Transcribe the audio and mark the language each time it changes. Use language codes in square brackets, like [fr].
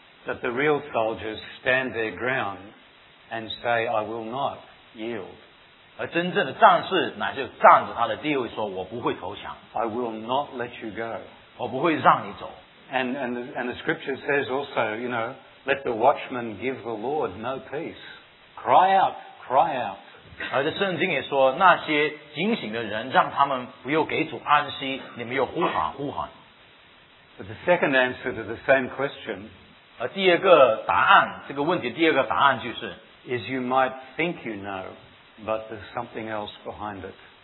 [en] But the real soldiers stand their ground and say, I will not yield. [zh] 而真正的战士乃是站着他的地位说我不会投降. [en] I will not let you go. [zh] 我不会让你走. [en] And the scripture says also, you know, let the watchman give the Lord no peace. Cry out, cry out. [zh] 而这圣经也说那些警醒的人让他们不又给主安息你们又呼喊呼喊. [en] But the second answer to the same question, [zh] 而第二个答案这个问题第二个答案就是, [en] is you might think you know, but there's something else behind it.